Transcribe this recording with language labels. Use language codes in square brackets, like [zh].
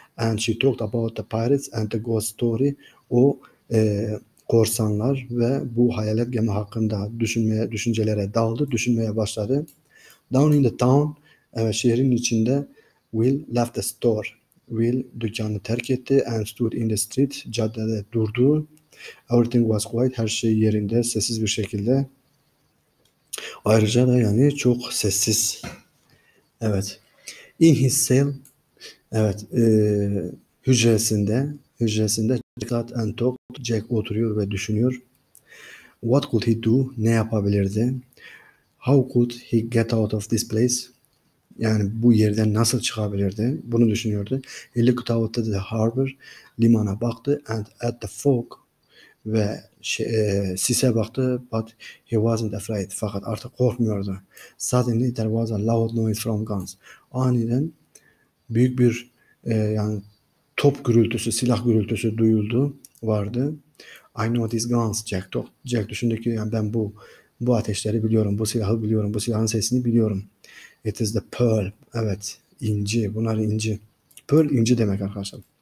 [en] And she talked about the pirates and the ghost story. [tr] O korsanlar ve bu hayalet gemi hakkında düşüncelere daldı. Düşünmeye başladı. [en] Down in the town. [tr] Şehrin içinde [en] Will left the store. [tr] Will dükkanı terk etti [en] and stood in the street. [tr] Caddede durdu. [en] Everything was quiet. [tr] Her şey yerinde. Sessiz bir şekilde. Ayrıca da yani çok sessiz. Evet. [en] In his cell. [tr] Evet. [en] Hücresinde Jack sat and talked. [tr] Jack oturuyor ve düşünüyor. [en] What could he do? [tr] Ne yapabilirdi? [en] How could he get out of this place? [tr] Yani bu yerden nasıl çıkabilirdi? Bunu düşünüyordu. [en] He looked out at the harbor. [tr] Limana baktı. [en] And at the fog. [tr] Ve sise baktı. [en] But he wasn't afraid. [tr] Fakat artık korkmuyordu. [en] Suddenly there was a loud noise from guns. [tr] Aniden büyük bir yani top gürültüsü, silah gürültüsü duyuldu. Vardı. [en] I know these guns, Jack talk. [tr] Jack düşündü ki yani ben bu ateşleri biliyorum, bu silahı biliyorum, bu silahın sesini biliyorum. [en] It is the pearl. [tr] Evet, inci. Bunlar inci. Pearl inci demek arkadaşlar.